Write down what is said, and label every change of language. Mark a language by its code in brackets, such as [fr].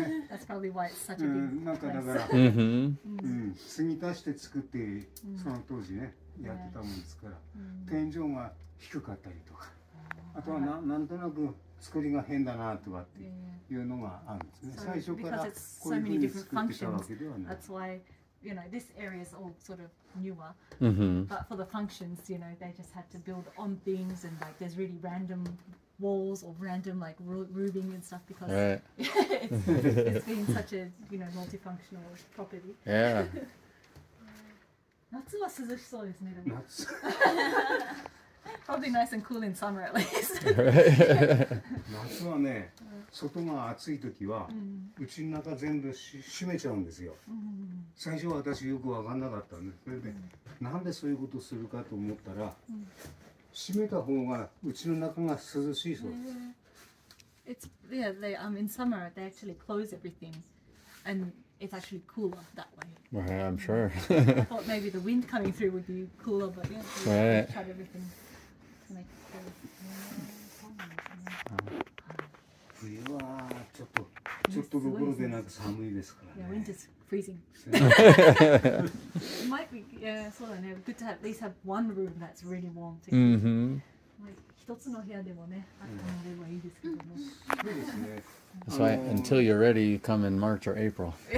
[en] That's probably why it's such a big place. [ja] あとは なんとなく作りが変だなとかっていうのがあるんですね。 Yeah. 最初からこういうふうに作ってたわけではない。 [en] That's why, you know, this area is all sort of newer. But for the functions, you know, they just had to build on things and like there's really random walls or random like roofing and stuff because right. it's been such a, you know, multifunctional property. Yeah. [ja] 夏は涼しそうですね。夏。 [en] Probably nice and cool in summer at least. [ja] 夏はね、外が暑い時は、うちの中全部閉めちゃうんですよ。最初は私よく分かんなかったんです。で、なんでそういうことするかと思ったら、閉めた方がうちの中が涼しいそうです。 [en] It's yeah, they in summer they actually close everything, and it's actually cooler that way. Right, I'm sure. I thought maybe the wind coming through would be cooler, but yeah, they shut everything. [ja] 冬はちょっとどころでなく寒いですからね。 [en] Winter's freezing. It might be, yeah, [ja] そうだね。 [en] Good to at least have one room that's really warm. [ja] 一つの部屋でもね、温めればいいですけども。そうですね。 [en] That's why until you're ready, you come in March or April.